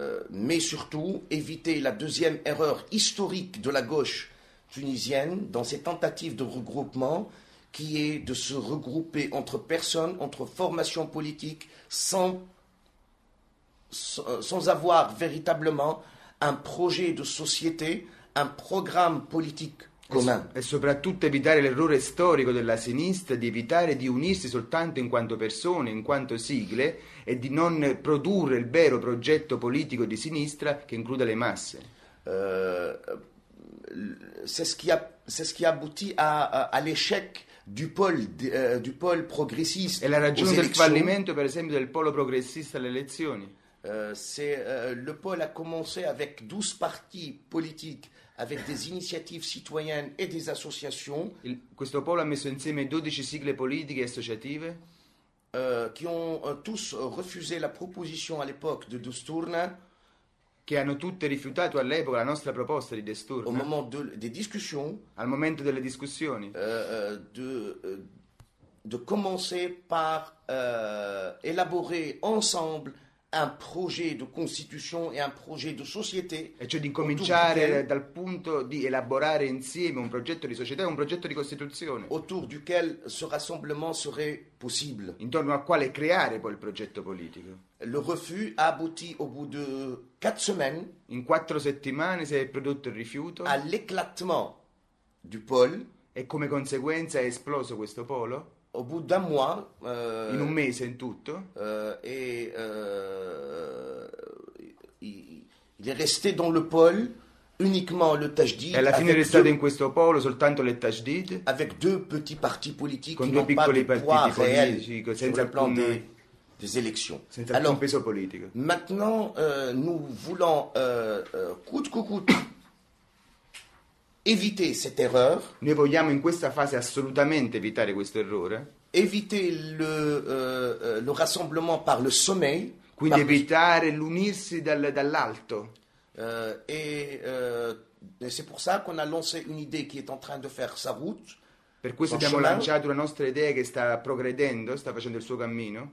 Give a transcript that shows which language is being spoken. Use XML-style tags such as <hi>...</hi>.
<fr>Mais surtout éviter la deuxième erreur historique de la gauche tunisienne dans ses tentatives de regroupement, qui est de se regrouper entre personnes, entre formations politiques, sans avoir véritablement un projet de société, un programme politique commun.</fr> <it>E soprattutto evitare l'errore storico della sinistra di evitare di unirsi soltanto in quanto persone, in quanto sigle, e di non produrre il vero progetto politico di sinistra che includa le masse.</it> <fr>C'est ce qui aboutit à l'échec du pôle progressiste.</fr> <it>E la ragione del fallimento, per esempio, del polo progressista alle elezioni.</it> <fr>Le pôle a commencé avec 12 partis politiques, avec des initiatives citoyennes et des associations.</fr> <it>Questo polo ha messo insieme 12 sigle politiche e associative.</it> <fr>Qui ont tous refusé la proposition à l'époque de Sturna.</fr> <it>Che hanno tutte rifiutato all'epoca la nostra proposta di Sturna.</it> <fr>Au moment des discussions,</fr> <it>al momento delle discussioni,</it> <fr>de commencer par élaborer ensemble un projet de constitution et un projet de société.</fr> <it>E cioè di cominciare dal punto di elaborare insieme un progetto di società e un progetto di costituzione.</it> <fr>Autour duquel ce rassemblement serait possible.</fr> <it>Intorno al quale creare poi il progetto politico.</it> <fr>Le refus a abouti au bout de 4 semaines.</fr> <it>In 4 settimane si è prodotto il rifiuto.</it> <fr>À l'éclatement du pôle.</fr> <it>E come conseguenza è esploso questo polo.</it> <fr>Au bout d'un mois,</fr> <it>in un mese in tutto,</it> <fr>il est resté dans le pôle uniquement le Tajdid.</fr> <it>E alla fine è restato in questo polo soltanto le Tajdid.</it> <fr>Avec deux petits partis politiques</fr> <it>con due piccoli partiti politici</it> <fr>senza plan des élections.</fr> <it>Senza alcun peso politico.</it> <fr>Maintenant, nous voulons coûte que coûte éviter cette erreur.</fr> <it>Noi vogliamo in questa fase assolutamente evitare questo errore.</it> <fr>Éviter le rassemblement par le sommet.</fr> <it>Quindi evitare l'unirsi dall'alto.</it> <fr>Et c'est pour ça qu'on a lancé une idée qui est en train de faire sa route.</fr> <it>Per questo abbiamo</it> <fr>chemin,</fr> <it>lanciato la nostra idea che sta progredendo, sta facendo il suo cammino.</it>